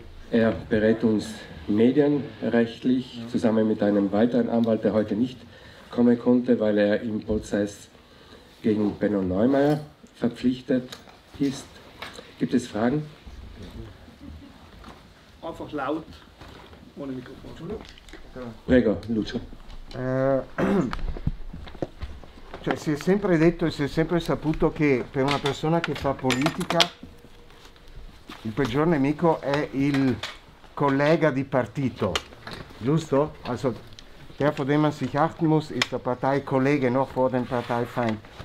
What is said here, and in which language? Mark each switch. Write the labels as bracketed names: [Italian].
[German] Er berät uns medienrechtlich zusammen mit einem weiteren Anwalt, der heute nicht kommen konnte, weil er im Prozess gegen Benno Neumeier verpflichtet ist. Gibt es Fragen? Einfach laut, ohne Mikrofon. [Italian] Prego, Lucio. Cioè, si è sempre detto e si è sempre saputo che per una persona che fa politica il peggior nemico è il collega di partito, giusto? [German] Also, der, vor dem man sich achten muss, ist der Parteikollege noch vor dem Parteifeind.